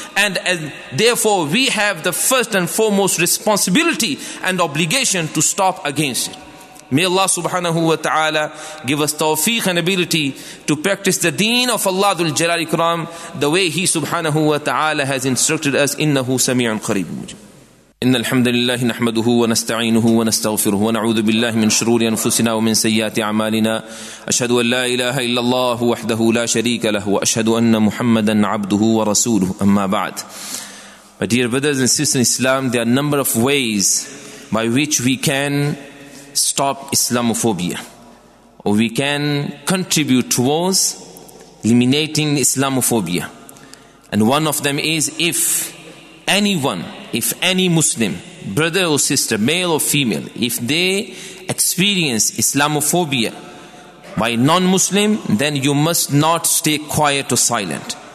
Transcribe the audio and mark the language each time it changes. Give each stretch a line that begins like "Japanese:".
English: And therefore, we have the first and foremost responsibility and obligation to stop against it. May Allah subhanahu wa ta'ala give us tawfiq and ability to practice the deen of Allah dhul jalal ikram the way He subhanahu wa ta'ala has instructed us.
Arabic: Innahu sami'un qareeb mujib. إن الحمد لله نحمده ونستعينه ونستغفره ونعوذ بالله من شرور أنفسنا ومن سيئات أعمالنا أشهد أن لا إله إلا الله وحده لا شريك له وأشهد أن محمدا عبده ورسوله أما بعد.
English: My dear brothers and sisters in Islam, there are a number of ways by which we can stop Islamophobia, or we can contribute towards eliminating Islamophobia. And one of them is if any Muslim, brother or sister, male or female, if they experience Islamophobia by non-Muslim, then you must not stay quiet or silent.